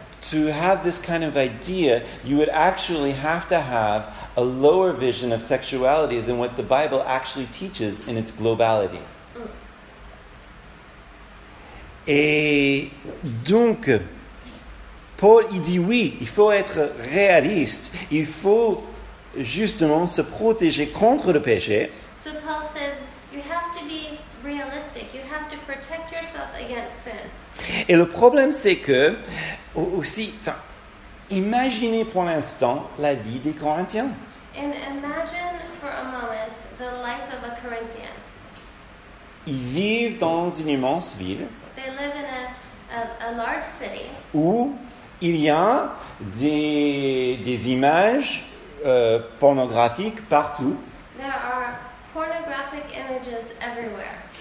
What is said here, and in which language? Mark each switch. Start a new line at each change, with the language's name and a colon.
English: to have this kind of idea, you would actually have to have a lower vision of sexuality than what the Bible actually teaches in its globality.
French: Et donc, Paul, il dit oui, il faut être réaliste. Il faut justement se protéger contre le péché.
English: So Paul says, you have to be realistic. You have to protect yourself against sin.
French: Et le problème, c'est que, aussi, imaginez pour l'instant la vie des Corinthiens.
English: And imagine for a moment the life of a Corinthian.
French: Ils vivent dans une immense ville.
English: They live in a large city.
French: Où il y a des images pornographiques partout.
English: There are pornographic images everywhere.